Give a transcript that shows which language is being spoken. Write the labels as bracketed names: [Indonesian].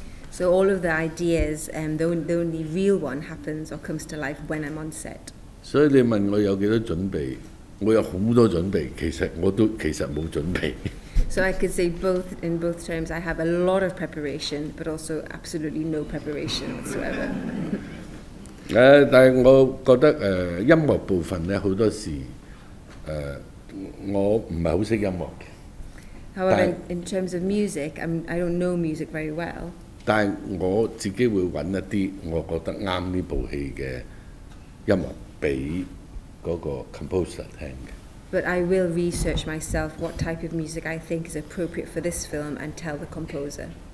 [English] So all of the ideas, the only real one happens or comes to life when I'm on set. [Cantonese] 所以你問我有幾多準備，我有好多準備，其實冇準備。 [English] So I could say in both terms, I have a lot of preparation, but also absolutely no preparation whatsoever. [Cantonese] 但係我覺得音樂部分咧好多時我唔係好識音樂嘅。 [English] However, in terms of music, I don't know music very well. [Cantonese] 但係我自己會揾一啲我覺得啱呢部戲嘅音樂俾嗰個 composer 聽嘅。 [English] But I will research myself what type of music I think is appropriate for this film and tell the composer.